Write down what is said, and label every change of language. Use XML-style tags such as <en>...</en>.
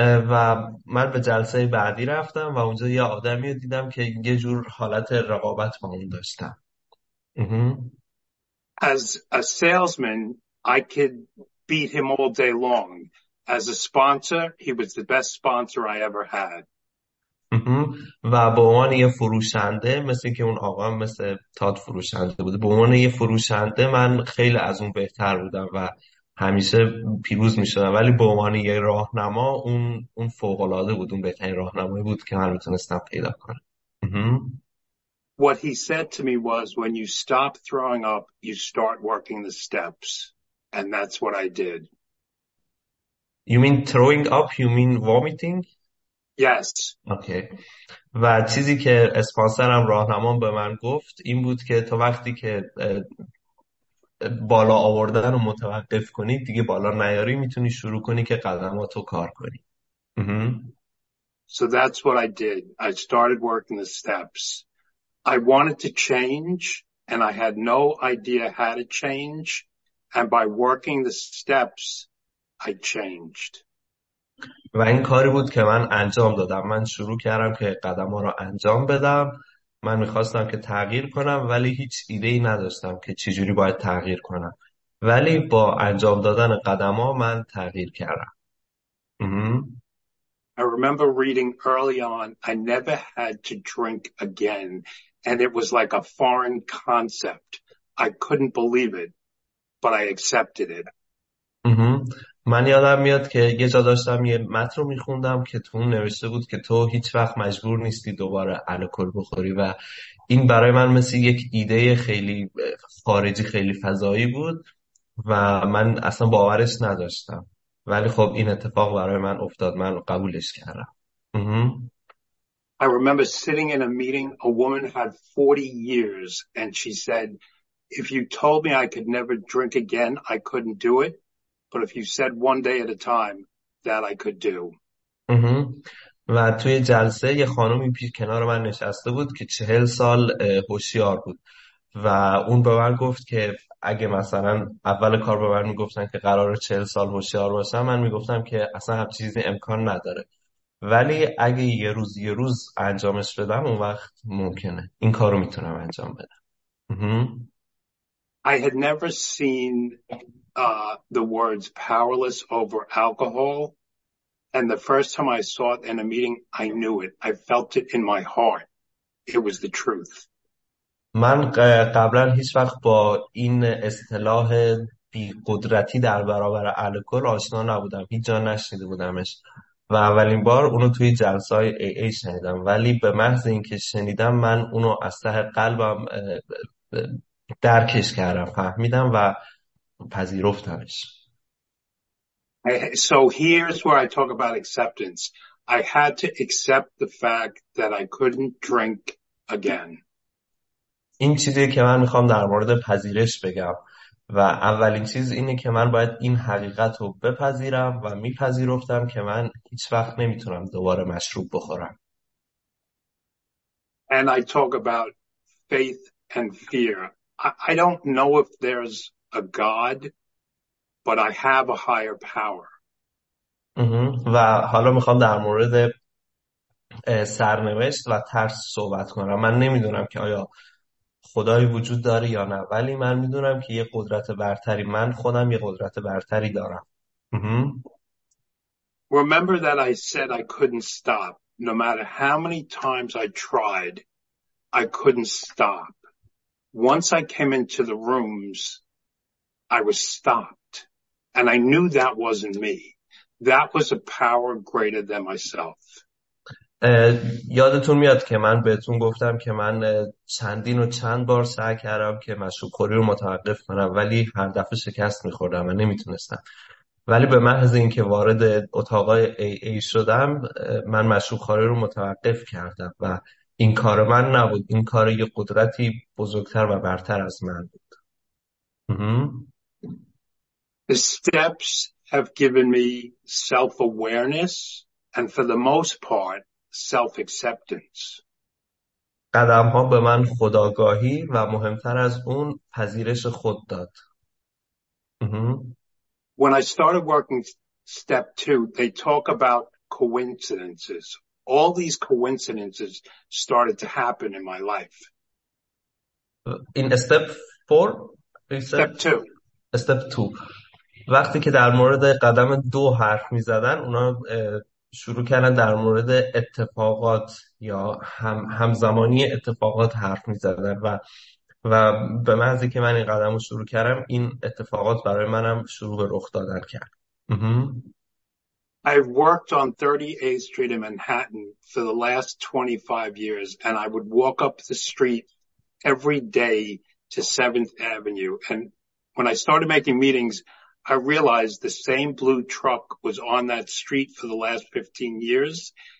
<fa>و من به جلسه بعدی رفتم و اونجا یه آدمی رو دیدم که یه جور حالت رقابت با اون داشتم.</fa> <en>As a salesman, I could beat him all day long. As a sponsor, he was the best sponsor I ever had.</en> <fa>و به عنوان یه فروشنده مثل که اون آقا مثل تاد فروشنده بوده، به عنوان یه فروشنده من خیلی از اون بهتر بودم و همیشه پیروز می شدم، ولی به عنوان یه راهنما اون فوق العاده بود، اون بهترین راهنمایی بود که من میتونستم پیدا کنم.</fa> <en>What he said to me was, when you stop throwing up, you start working the steps. And that's what I did. You mean throwing up? You mean vomiting? Yes. Okay.</en> <fa>و چیزی که اسپانسرم راهنمام به من گفت این بود که تو وقتی که بالا آوردن رو متوقف کنی دیگه بالا نیاری میتونی شروع کنی که قدماتو کار کنی.</fa> <en>So that's what I did. I started working the steps. I wanted to change and I had no idea how to change. And by working the steps, I changed.</en> <fa>و این کاری بود که من انجام دادم. من شروع کردم که قدم ها را انجام بدم. من میخواستم که تغییر کنم ولی هیچ ایده ای نداشتم که چجوری باید تغییر کنم. ولی با انجام دادن قدم ها من تغییر کردم.</fa> <en>I remember reading early on, I never had to drink again. and it was like a foreign concept. I couldn't believe it, but I accepted it. Mm-hmm.</en> <fa>من یادم میاد که یه جا داشتم یه متن رو میخوندم که تو اون نوشته بود که تو هیچ وقت مجبور نیستی دوباره الکل بخوری و این برای من مثل یک ایده خیلی خارجی خیلی فضایی بود و من اصلا باورش نداشتم ولی خب این اتفاق برای من افتاد من قبولش کردم.</fa> <en>I remember sitting in a meeting, a woman had 40 years, and she said, if you told me I could never drink again, I couldn't do it. But if you said one day at a time, that I could do.</en> <fa>و توی جلسه یه خانومی پیش کنار من نشسته بود که 40 سال هوشیار بود و اون به من گفت که اگه مثلا اول کار به من میگفتن که قرار 40 سال هوشیار باشم من میگفتم که اصلا هم چیزی امکان نداره ولی اگه یه روز انجامش بدم اون وقت ممکنه این کار رو میتونم انجام بدم.</fa> <en>I had never seen the words powerless over alcohol. And the first time I saw it in a meeting, I knew it. I felt it in my heart. It was the truth.</en> <fa>من قبلا هیچ وقت با این اصطلاح بی قدرتی در برابر الکل آشنا نبودم. هیچ جا نشنیده بودمش. و اولین بار اونو توی جلسه های AA شنیدم. ولی به محض اینکه شنیدم من اونو از ته قلبم درکش کردم. فهمیدم و پذیرفتمش.</fa> <en>So here's where I talk about acceptance. I had to accept the fact that I couldn't drink again.</en> <fa>این چیزی که من میخوام در مورد پذیرش بگم و اولین چیز اینه که من باید این حقیقت رو بپذیرم و میپذیرفتم که من هیچ وقت نمیتونم دوباره مشروب بخورم.</fa> <en>And I talk about faith and fear. I don't know if there's a God. But I have a higher power.</en> <fa>و حالا میخوام در مورد سرنوشت و ترس صحبت کنم. من نمیدونم که آیا خدایی وجود داره یا نه ولی من میدونم که یه قدرت برتری من خودم یه قدرت برتری دارم.</fa> <en>Remember that I said I couldn't stop. No matter how many times I tried, I couldn't stop. Once I came into the rooms, I was stopped. And I knew that wasn't me. That was a power greater than myself.</en> <fa>یادتون میاد که من بهتون گفتم که من چندین و چند بار سعی کردم که مشروب خوری رو متوقف کنم ولی هر دفعه شکست میخوردم و نمیتونستم. ولی به محض اینکه وارد اتاق AA شدم من مشروب خوری رو متوقف کردم و این کار من نبود. این کار یه قدرتی بزرگتر و برتر از من بود.</fa> <en>The steps have given me self-awareness and for the most part, self-acceptance.</en> <fa>قدم‌ها به من خودآگاهی و مهمتر از اون پذیرش خود داد.</fa> <en>When I started working step two, they talk about coincidences. All these coincidences started to happen in my life. In step four? Step two.</en> <fa>وقتی که در مورد قدم دو حرف می زدن اونا شروع کردن در مورد اتفاقات یا همزمانی اتفاقات حرف می زدن و به محض اینکه من این قدم رو شروع کردم این اتفاقات برای منم شروع به رخ دادن کرد.</fa> <en>I've worked on 38th Street in Manhattan for the last 25 years and I would walk up the street every day to 7th Avenue and when I started making meetings I realized the same blue truck was on that street for the last 15 years.</en>